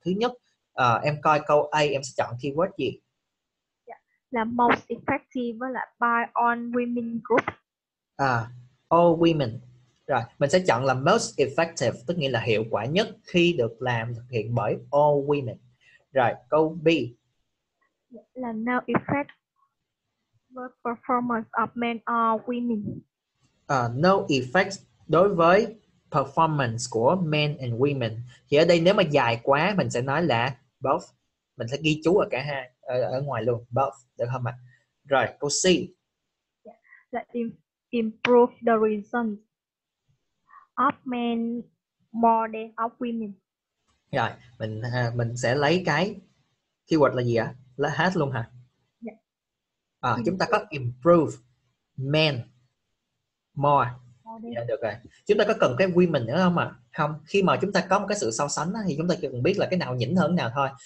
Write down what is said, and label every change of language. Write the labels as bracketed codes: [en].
[vi] Thứ nhất, em coi câu A, em sẽ chọn keyword gì? [en] Là most effective với lại by on women group. À, all women. [vi] Rồi, mình sẽ chọn là most effective, tức nghĩa là hiệu quả nhất khi được làm thực hiện bởi all women. Rồi, câu B. [en] Là no effect with performance of men or women. No effect đối với performance của men and women. [vi] Thì ở đây nếu mà dài quá mình sẽ nói là both. Mình sẽ ghi chú ở cả hai ở ngoài luôn, both, được không ạ? Rồi, câu C. [en] Improve the results of men more than of women. [vi] Rồi, mình sẽ lấy cái keyword là gì ạ? Là hát luôn hả? À, chúng ta có improve men more. Dạ, được rồi. Chúng ta có cần cái women nữa không ạ? Không. Khi mà chúng ta có một cái sự so sánh thì chúng ta chỉ cần biết là cái nào nhỉnh hơn nào thôi.